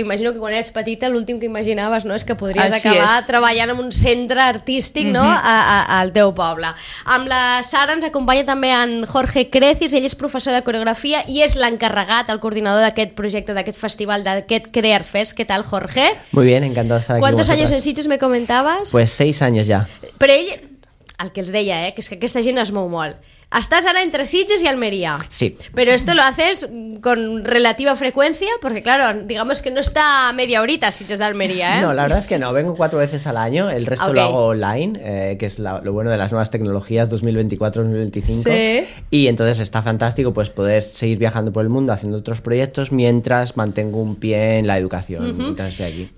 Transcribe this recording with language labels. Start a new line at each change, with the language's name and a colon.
Catalan: Imagino que quan eres petita l'últim que imaginaves, no, és que podries així acabar és treballant en un centre artístic, mm-hmm, no, al teu poble. Amb la Sara ens acompanya també en Jorge Crecis, ell és professor de coreografia i és l'encarregat, el coordinador d'aquest projecte, d'aquest festival, d'aquest Crear Fest. Què tal, Jorge?
Spanish: Muy bien, encantado de estar aquí. ¿Cuántos años en Sitges me comentabas? Pues 6 años ya.
Catalan: Però ell, el que els deia, que és que aquesta gent es mou molt. Estàs ara entre Sitges i Almeria. Sí.
Spanish: Però esto lo haces con relativa frecuencia, porque claro, digamos que no está media horita Sitges d'Almeria, No, la verdad es que no, vengo 4 veces al año, el resto okay. Lo hago online, que es lo bueno de las nuevas tecnologías 2024-2025. Sí. Y entonces está fantástico pues poder seguir viajando por el mundo haciendo otros proyectos mientras mantengo un pie en la educación, uh-huh, mientras estoy aquí.